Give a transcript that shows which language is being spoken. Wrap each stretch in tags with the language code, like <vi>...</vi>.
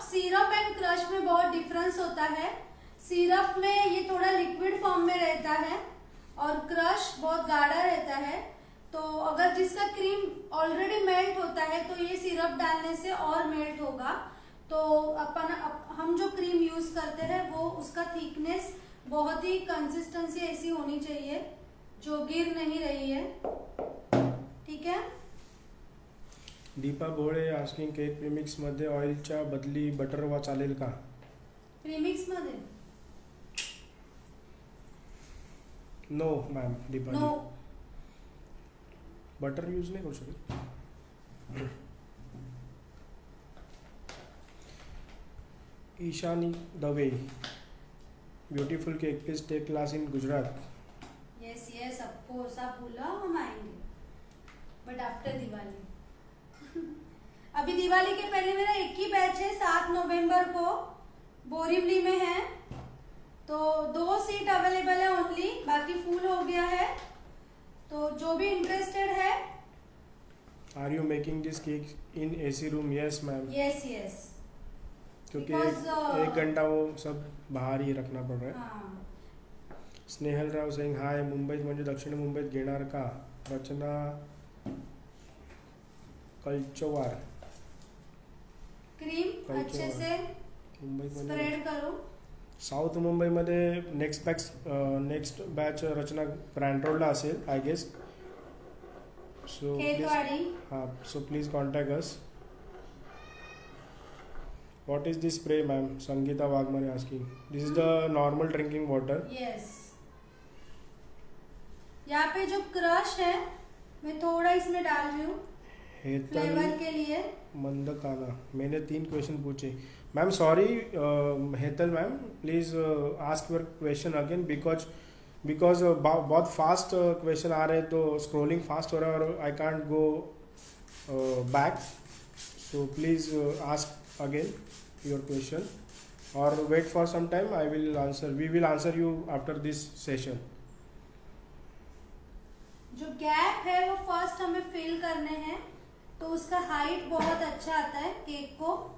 <hi>Syrup and crush में बहुत difference होता है, सिरप में ये थोड़ा लिक्विड फॉर्म में रहता है और क्रश बहुत गाढ़ा रहता है, तो अगर जिसका क्रीम ऑलरेडी मेल्ट होता है तो ये सिरप डालने से और मेल्ट होगा, तो अपन हम जो क्रीम यूज करते हैं वो उसका थिकनेस बहुत ही कंसिस्टेंसी ऐसी होनी चाहिए जो गिर नहीं रही है। ठीक है</hi> <mr>दीपा भोळे आस्किंग केक प्रीमिक्स मध्ये ऑइलच्या बदली बटर वा चालेल का? प्रीमिक्स मध्ये</mr> <en>No ma'am. Deepa no</en> <mr>butter use नाही करू शकत.</mr> <en>Ishani Dave beautiful cake please take class in Gujarat. Yes yes of course</en> <hi>आप बोला हम आएंगे बट आफ्टर दिवाली. अभी दिवाली के पहले मेरा एक ही बैच है 7 नवंबर को बोरिवली में है तो 2 सीट अवेलेबल है ओनली बाकी फुल हो गया है तो जो भी इंटरेस्टेड है.</hi> <en>Are you making this cake in AC room? Yes ma'am. Yes yes</en> <hi>क्योंकि एक घंटा वो सब बाहर ही रखना पड़ रहा है.</hi> <mr>स्नेहल राव सिंह हाय मुंबई म्हणजे दक्षिण मुंबईत घेणार का? रचना कल्चोवार</mr> <hi>क्रीम अच्छे से मुंबई स्प्रेड करो.</hi> <mr>साउथ मुंबई मध्ये नेक्स्ट बैच रचना ग्रँड रोडला असेल</mr> <en>I guess. So Khetwadi हां so please contact us. What is this spray, ma'am? Sangeeta Vagmar is asking. This is the normal drinking water. Yes.</en> <hi>यहाँ पे जो crush है, मैं थोड़ा इसमें डाल रही हूँ. Flavor के लिए. मंद काला. मैंने 3 question पूछे.</hi> <en>Ma'am, sorry, Hetal ma'am, please ask your question again because</en> <hi>बहुत fast question आ रहे तो scrolling fast हो रहा</hi> <en>और I can't go back. So please ask again. Your question or wait for some time I will answer we will answer you after this session.</en> <hi>जो gap है वो first हमें fill करने हैं तो उसका height बहुत अच्छा आता है cake को.</hi>